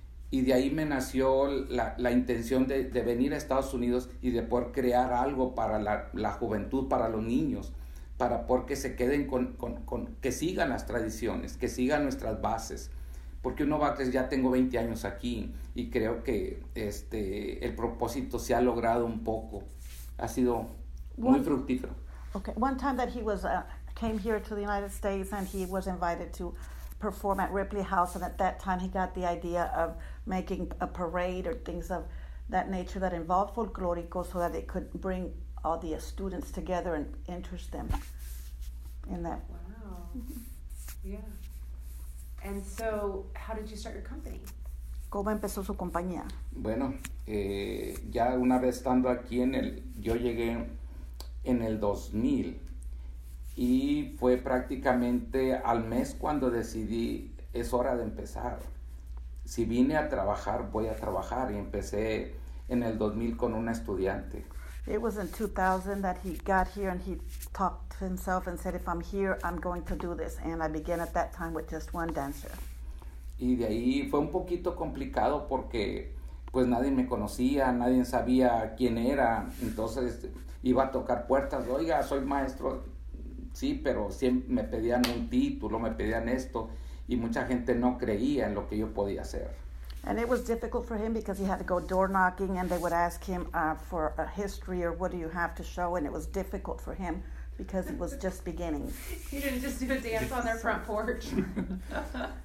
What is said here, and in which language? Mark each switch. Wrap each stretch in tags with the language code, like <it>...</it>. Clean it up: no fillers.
<es>Y de ahí me nació la intención de venir a Estados Unidos y de poder crear algo para la juventud, para los niños, para poder que se queden con que sigan las tradiciones, que sigan nuestras bases. Porque uno va, ya tengo 20 años aquí y creo que el propósito se ha logrado un poco. Ha sido muy fructífero.</es> <en>Okay, one time that he was came here to the United States and he was invited to perform at Ripley House, and at that time he got the idea of making a parade or things of that nature that involved folklorico so that it could bring all the students together and interest them in that. Wow. Yeah. And so how did you start your company? ¿Cómo empezó su compañía?</en> <es>Bueno, ya una vez estando aquí yo llegué en el 2000. Y fue prácticamente al mes cuando decidí, es hora de empezar. Si vine a trabajar, voy a trabajar. Y empecé en el 2000 con una estudiante.</es> <en>It was in 2000 that he got here and he talked to himself and said, if I'm here, I'm going to do this. And I began at that time with just one dancer.</en> <es>Y de ahí fue un poquito complicado porque pues nadie me conocía, nadie sabía quién era. Entonces iba a tocar puertas, oiga, soy maestro. Sí, pero siempre me pedían un título, me pedían esto, y mucha gente no creía en lo que yo podía hacer.</es> <en>And it was difficult for him because he had to go door knocking and they would ask him for a history or what do you have to show, and it was difficult for him because it was just beginning. He didn't just do a dance on their front porch. Wow. Mm-hmm.</en>